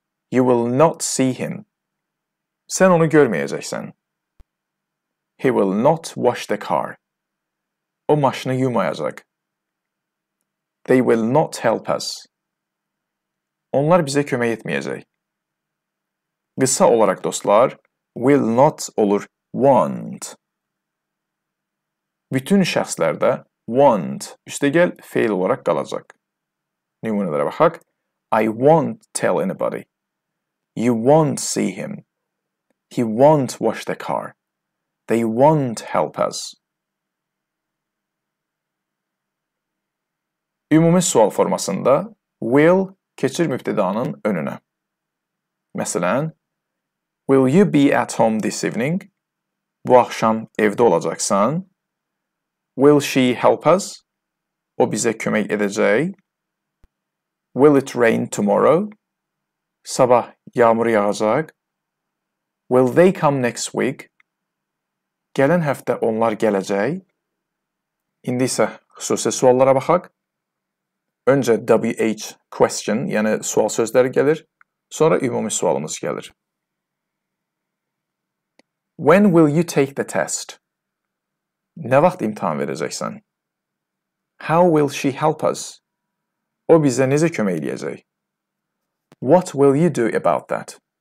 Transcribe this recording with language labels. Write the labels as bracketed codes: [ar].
[en] You will not see him. [az] Sən onu görməyəcəksən. [en] He will not wash the car. [az] O maşını yumayacaq. [en] They will not help us. [az] Onlar bizə kömək etməyəcək. Qısa olaraq dostlar, will not olur want. Bütün şəxslərdə want üstəgəl fail olaraq qalacaq. Nümunələrə baxaq. [en] I won't tell anybody. You won't see him. He won't wash the car. They won't help us. [az] Ümumi sual formasında will keçir mübtedanın önünə. Məsələn, [en] Will you be at home this evening? [az] Bu axşam evdə olacaqsan. [en] Will she help us? [az] O bizə kömək edəcək. [en] Will it rain tomorrow? [az] Sabah yağmur yağacaq. [en] Will they come next week? [az] Gələn həftə onlar gələcək. İndi isə xüsusi suallara baxaq. Öncə WH question, yəni sual sözləri gəlir, sonra ümumi sualımız gəlir. [en] When will you take the test? [az] Nə vaxt imtihan verəcəksən? [en] How will she help us? [az] O bizə necə kömək edəcək? [en] What will you do about that?